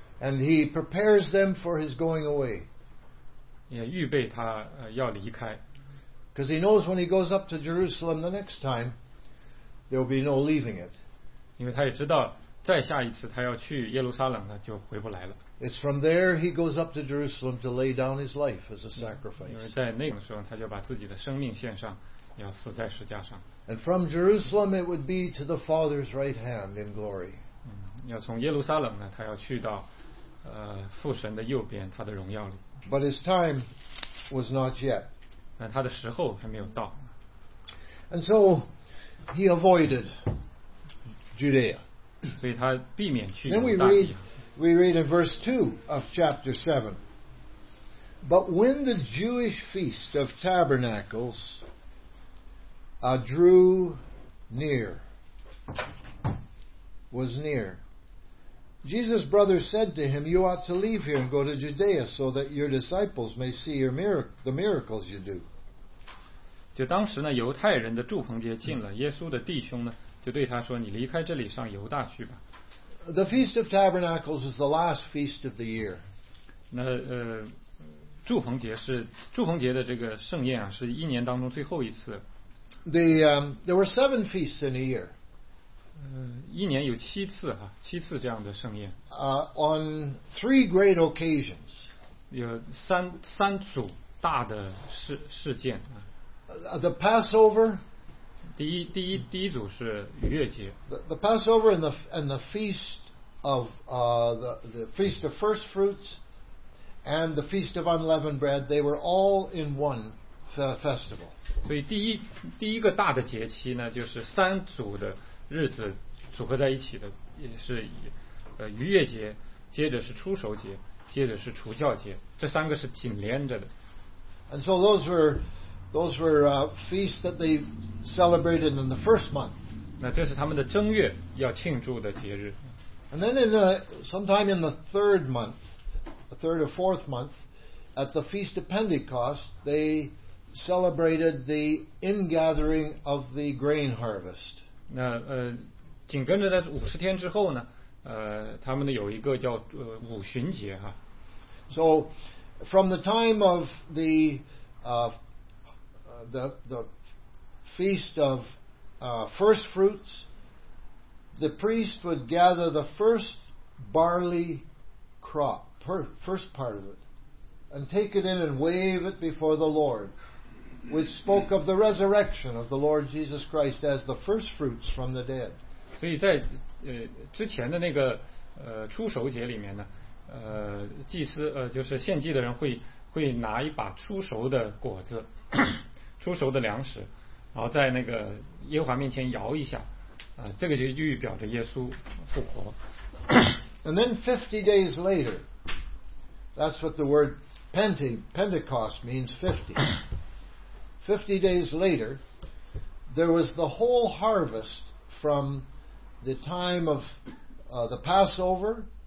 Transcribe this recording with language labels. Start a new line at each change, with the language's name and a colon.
English: And he prepares them for his going away.
Chinese: 也预备他要离开。
English: Because he knows when he goes up to Jerusalem the next time, there will be no leaving it.
Chinese: 因为他也知道，再下一次他要去耶路撒冷呢，就回不来了。
English: It's from there he goes up to Jerusalem to lay down his life as a sacrifice.
Chinese: 因为在那个时候，他就把自己的生命献上，要死在十字架上。
English: And from Jerusalem it would be to the Father's right hand in glory.
Chinese: 要从耶路撒冷呢，他要去到父神的右边，他的荣耀里。
English: But his time was not yet.
Chinese: 他的时候还没有到。
English: And so he avoided Judea.
Chinese: 所以他避免去。
English: Then we read in verse 2 of chapter 7. But when the Jewish feast of tabernacles was near, Jesus' brother said to him, You ought to leave here and go to Judea so that your disciples may see the miracles you do.
Chinese: 就当时呢，犹太人的祝棚节近了，耶稣的弟兄呢就对他说：“你离开这里上犹大去吧。”
English: The Feast of Tabernacles is the last feast of the year.
Chinese: 那祝棚节的这个盛宴啊，是一年当中最后一次。
English: There were 7 feasts in a year.
Chinese: 一年有七次哈、啊，七次这样的盛宴。
English: On 3 great occasions.
Chinese: 有三组大的事件啊。
English: The Passover,
Chinese: 第一组是逾越节。
English: The Passover and the Feast of the Feast of First Fruits and the Feast of Unleavened Bread, they were all in one festival.
Chinese: 所以第一个大的节期呢，就是三组的日子组合在一起的，也是逾越节，接着是初熟节，接着是除酵节，这三个是紧连着的。
English: And so those were feasts that they celebrated in the first month.
Chinese: 那这是他们的正月要庆祝的节日。
English: And then in sometime in the third month, the third or fourth month, at the Feast of Pentecost, they celebrated the ingathering of the grain harvest.
Chinese: 那紧跟着在五十天之后呢，他们呢有一个叫五旬节哈。
English: So, from the time of the feast of first fruits, the priest would gather the first barley crop, first part of it, and take it in and wave it before the Lord, which spoke of the resurrection of the Lord Jesus Christ as the first fruits from the dead.
Chinese: 所以在之前的那个初熟节里面呢，祭司就是献祭的人会拿一把初熟的果子，初熟的粮食，然后在那个耶和华面前摇一下，这个就预表着耶稣复活。
English: And then 50 days later, that's what the word Pentecost means, 50. 50 days later, there was the whole harvest from the time of the Passover.